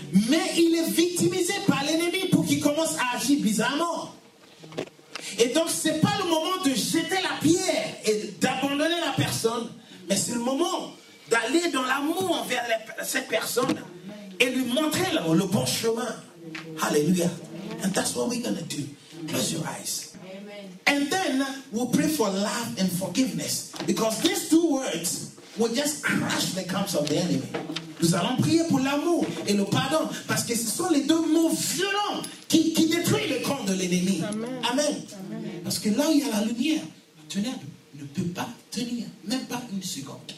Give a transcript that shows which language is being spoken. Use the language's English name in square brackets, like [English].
[French] Mais il est victimisé par l'ennemi pour qu'il commence à agir bizarrement. Et donc, ce n'est pas le moment de jeter la pierre et d'abandonner la personne, mais c'est le moment d'aller dans l'amour envers cette personne et lui montrer le bon chemin. [English] Alléluia. And that's what we're going to do. Close your eyes. Amen. And then we'll pray for love and forgiveness. Because these two words will just crush the camps of the enemy. [French] Nous allons prier pour l'amour et le pardon. Parce que ce sont les deux mots violents qui détruisent le camp de l'ennemi. Amen. Amen. Parce que là où il y a la lumière, le ténèbre ne peut pas tenir, même pas une seconde.